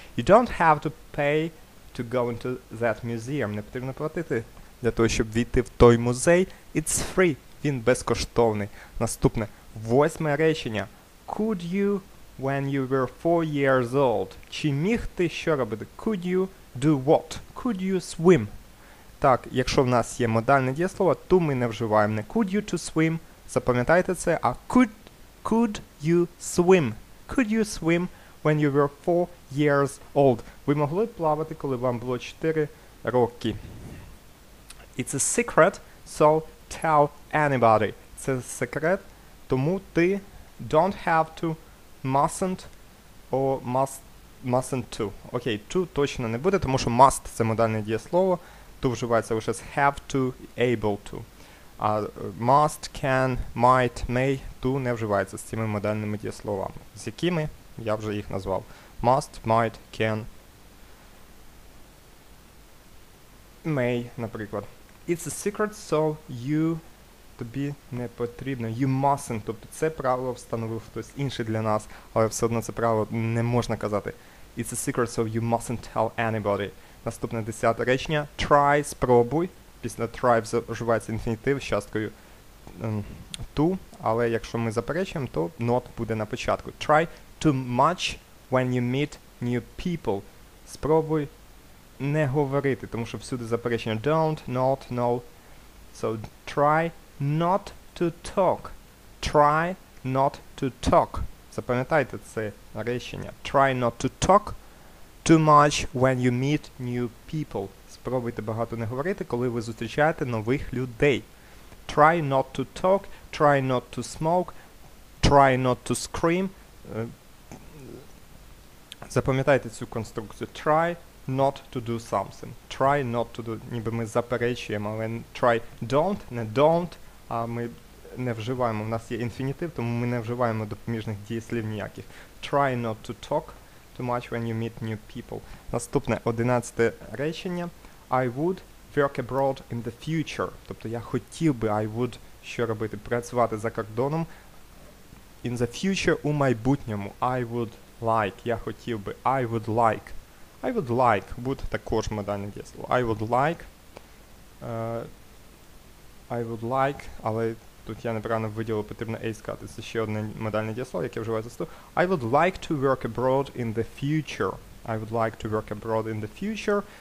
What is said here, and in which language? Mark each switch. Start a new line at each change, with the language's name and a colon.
English: You don't have to pay to go into that museum.
Ukrainian: Не потрібно платити для того, щоб війти в той музей.
English: It's free.
Ukrainian: Він безкоштовний. Наступне. Восьме речення.
English: Could you, when you were 4 years old?
Ukrainian: Чи міг ти що робити?
English: Could you do what? Could you swim?
Ukrainian: Так, якщо в нас є модальне дієслово, то ми не вживаємо не could you to swim. Запам'ятайте це.
English: А could you swim? Could you swim when you were 4 years old?
Ukrainian: Ви могли плавати, коли вам було 4 роки.
English: It's a secret, so tell anybody.
Ukrainian: Це секрет, тому ти
English: don't have to, mustn't, or mustn't to.
Ukrainian: Окей, to точно не буде, тому що must – це модальне дієслово, to вживається лише з have to, able to. А must, can, might, may – to не вживається з цими модальними дієсловами. З якими? Я вже їх назвав.
English: Must, might, can, may, наприклад. It's a secret, so you
Ukrainian: тобі не потрібно.
English: You mustn't.
Ukrainian: Тобто це правило встановив хтось інший для нас, але все одно це правило не можна казати.
English: It's a secret, so you mustn't tell anybody.
Ukrainian: Наступне десяте речення. Try, спробуй. Після try вживається інфінітив з часткою to, але якщо ми заперечуємо, то not буде на початку.
English: Try too much when you meet new people.
Ukrainian: Спробуй не говорити, тому що всюди заперечення don't, not, no.
English: So try not to talk. Try not to talk.
Ukrainian: Запам'ятайте це речення.
English: Try not to talk too much when you meet new people.
Ukrainian: Спробуйте багато не говорити, коли ви зустрічаєте нових людей.
English: Try not to talk. Try not to smoke. Try not to scream.
Ukrainian: Запам'ятайте цю конструкцію.
English: Try not to do something. Try not to do.
Ukrainian: Ніби ми заперечуємо, але
English: try don't, не don't.
Ukrainian: А ми не вживаємо, у нас є інфінітив, тому ми не вживаємо допоміжних дієслів ніяких.
English: Try not to talk too much when you meet new people.
Ukrainian: Наступне, 11-те речення.
English: I would work abroad in the future.
Ukrainian: Тобто я хотів би, I would, що робити? Працювати за кордоном.
English: In the future,
Ukrainian: у майбутньому.
English: I would like,
Ukrainian: я хотів би.
English: I would like. I would like,
Ukrainian: would також модальне дієслово.
English: I would like. I would like,
Ukrainian: але тут я неправильно виділив, потрібно A сказати, це ще одне модальне дієслово, яке вживається з того.
English: I would like to work abroad in the future. I would like to work abroad in the future.